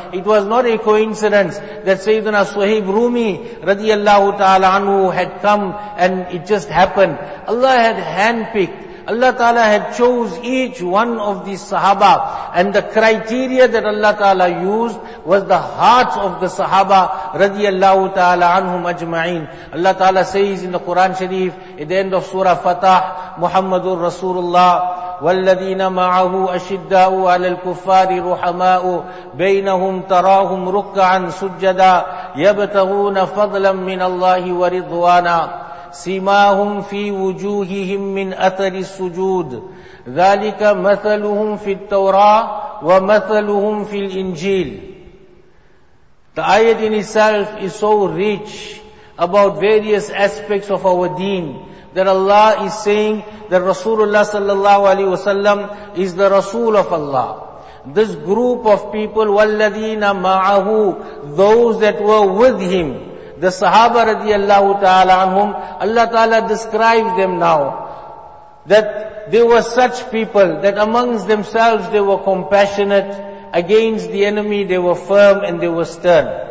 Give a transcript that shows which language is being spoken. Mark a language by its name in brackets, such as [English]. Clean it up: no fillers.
[English] It was not a coincidence that Sayyidina Suhaib Rumi radiallahu ta'ala anhu had come and it just happened. Allah had handpicked, Allah Ta'ala had chose each one of these Sahaba, and the criteria that Allah Ta'ala used was the hearts of the Sahaba radiyallahu ta'ala anhum ajma'in. Allah Ta'ala says in the Quran Sharif at the end of Surah Fatah, [Arabic] Muhammadur Rasulullah, والذين معه أشداء على الكفار رحماء بينهم تراهم ركعا سجدا يبتغون فضلا من الله ورضوانا سماهم في وجوههم من أثر السجود ذلك مثلهم في التوراة ومثلهم في الإنجيل. [English] The ayat in itself is so rich about various aspects of our deen that Allah is saying that Rasulullah sallallahu alayhi wasallam is the Rasul of Allah. This group of people, [Arabic] وَالَّذِينَ مَعَهُ, [English] those that were with him, the Sahaba radiallahu ta'ala anhum, Allah ta'ala describes them now, that they were such people that amongst themselves they were compassionate, against the enemy they were firm and they were stern.